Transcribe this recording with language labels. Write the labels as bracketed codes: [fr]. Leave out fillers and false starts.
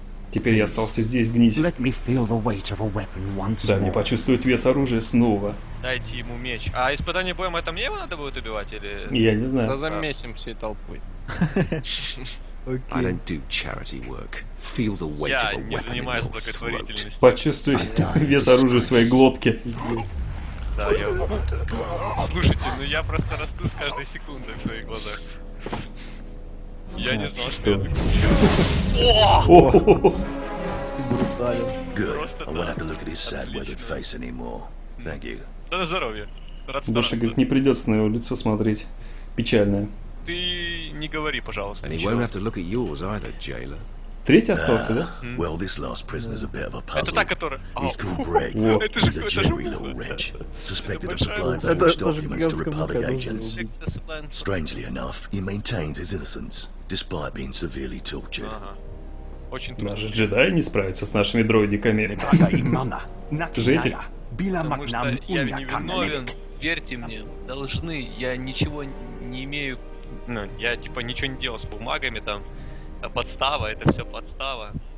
[ru] Теперь я остался здесь гнить. Дай мне почувствовать вес оружия снова. Дайте ему меч. А испытание боем это мне его надо будет убивать или? Я не знаю. Да замесим всей толпой. [en] Okay. I don't do charity work. Feel the weight of a weapon. [ru] Я не занимаюсь благотворительностью. Почувствуй вес оружия в своей глотке. Да, я... Слушайте, ну я просто расту с каждой секундой в своих глазах. Я не знал, что я так учу. Ооо! Брутален. Просто да, отлично. [en] Thank you. [ru] Да на здоровье. Рад старому. Больше, говорит, не придется на его лицо смотреть. Печальное. Ты не говори, пожалуйста, ничего. [en] Won't have to look at yours either, jailer. [ru] Третий остался, да? [en] Well, this last prisoner's a bit of a puzzle. [ru] Это та, которая... [en] He's called Brick. He's a jittery little wretch. Suspected of supplying forged documents to Republic agents. Strangely enough, he maintains his innocence, despite being severely tortured. [ru] Даже джедаи не справятся с нашими дроидиками. Жители. Потому что я невиновен, верьте мне, должны, я ничего не имею... Ну, я типа ничего не делал с бумагами там. Подстава, это все подстава.